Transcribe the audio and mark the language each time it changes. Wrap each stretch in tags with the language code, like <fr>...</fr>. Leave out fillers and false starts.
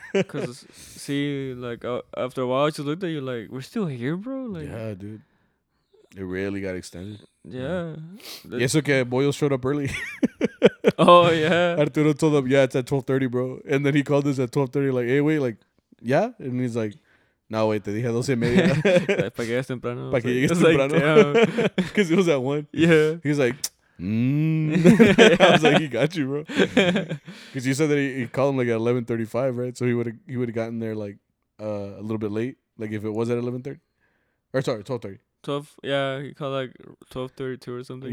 <en>Because, see, like, after a while, I just looked at you like, we're still here, bro? Like, yeah, dude. It really got extended. Yeah. Yes, okay. Boyle showed up early. Oh, yeah. Arturo told him, yeah, it's at 12:30, bro. And then he called us at 12:30, like, hey, wait, like, yeah? And he's like, no, wait,</en> <es>te dije 12 y media. Para que llegues temprano. Para que llegues temprano.</es> <en>Because it was at 1. Yeah. He's like, I was like, he got you, bro. Because you said that he called him, like, at 11:35, right? So he would have gotten there, like, a little bit late, like, if it was at 11:30. Or, sorry, 12:30. 12, yeah, he called like 12:32 or something.</en>